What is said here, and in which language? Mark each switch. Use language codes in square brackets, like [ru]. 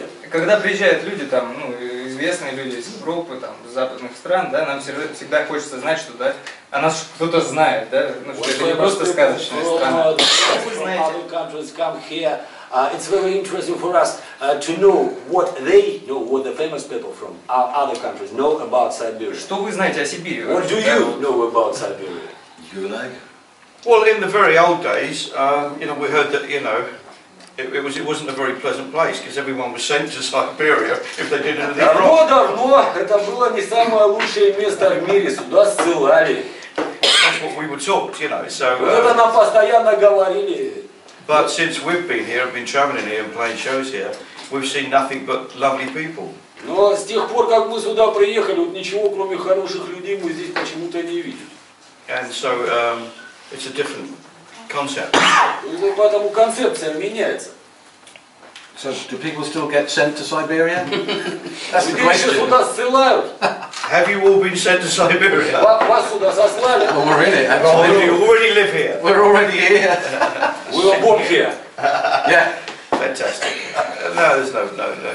[ru] Когда приезжают люди, там, ну, известные люди из Европы, там, из западных стран, да, нам всегда хочется знать, что, да, о нас кто-то знает, да, ну, что это не просто сказочная страна. Как вы знаете? [en] Other countries come here. It's very interesting for us to know what they know, what the famous people from other countries know about Siberia. [ru] Что вы знаете о Сибири? [en] What do you know about Siberia? You like? Well, in the very old days, we heard that, it wasn't a very pleasant place because everyone was sent to Siberia if they did anything wrong. [ru] Давно, это было не самое лучшее место в мире, сюда ссылали. [en] That's what we were taught, you know. So. [ru] Это нам постоянно говорили. [en] But since we've been here, I've been traveling here and playing shows here, we've seen nothing but lovely people. [ru] Но с тех пор, как мы сюда приехали, вот ничего кроме хороших людей мы здесь почему-то не видим. [en] And so it's a different. Concept. [ru] Поэтому концепция меняется. [en] So, do people still get sent to Siberia? That's the question. [ru] Сюда ссылают. [en] Have you all been sent to Siberia? [ru] Вас сюда сослали. [en] Well, we're in it. Actually, we already live here. We're already here. We were born here. Yeah. Fantastic. No, there's no.